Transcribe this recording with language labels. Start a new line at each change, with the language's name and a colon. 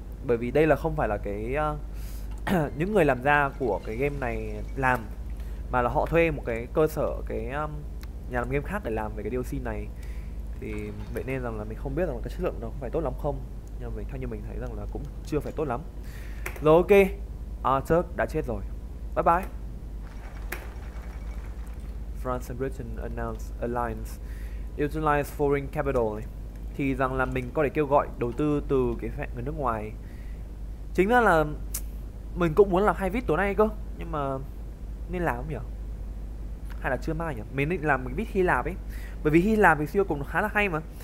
Vietnamese: Bởi vì đây là không phải là cái những người làm ra của cái game này làm, mà là họ thuê một cái cơ sở, cái nhà làm game khác để làm về cái DLC này. Thì vậy nên rằng là mình không biết rằng là cái chất lượng nó có phải tốt lắm không. Nhưng mà theo như mình thấy rằng là cũng chưa phải tốt lắm. Rồi ok, Arthur đã chết rồi.
English: Bye bye. France and Britain announce alliance. Utilize foreign capital này.
Vietnamese: Thì rằng là mình có thể kêu gọi đầu tư từ cái phe người nước ngoài. Chính ra là mình cũng muốn làm hai vít tối nay cơ, nhưng mà nên làm không nhỉ? Hay là chưa mai nhỉ? Mình định làm mình vít Hy Lạp ấy. Bởi vì Hy Lạp thì siêu cùng nó khá là hay mà.